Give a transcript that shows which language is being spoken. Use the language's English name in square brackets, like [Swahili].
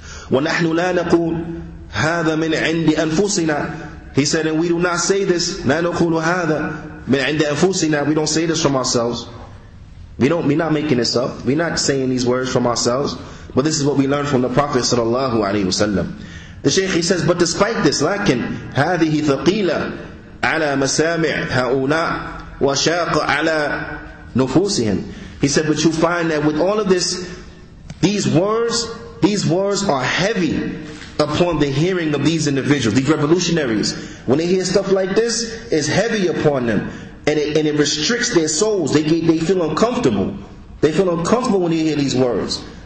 [Arabic] Wa nahnu la naqul hadha min 'indi anfusina. [English] He said, and we do not say this, [Arabic] la naqulu hadha min 'indi anfusina, [English] we don't say this from ourselves. We're not making this up. We're not saying these words from ourselves. But this is what we learned from the Prophet sallallahu alaihi wasallam. The Shaykh, he says, but despite this, [Arabic] لكن هذه ثقيلة على مسامع هؤلاء وشاق على نفوسهم. [English] He said, but you find that with all of this, these words are heavy upon the hearing of these individuals, these revolutionaries. When they hear stuff like this, it's heavy upon them. And it restricts their souls. They feel uncomfortable. They feel uncomfortable when they hear these words.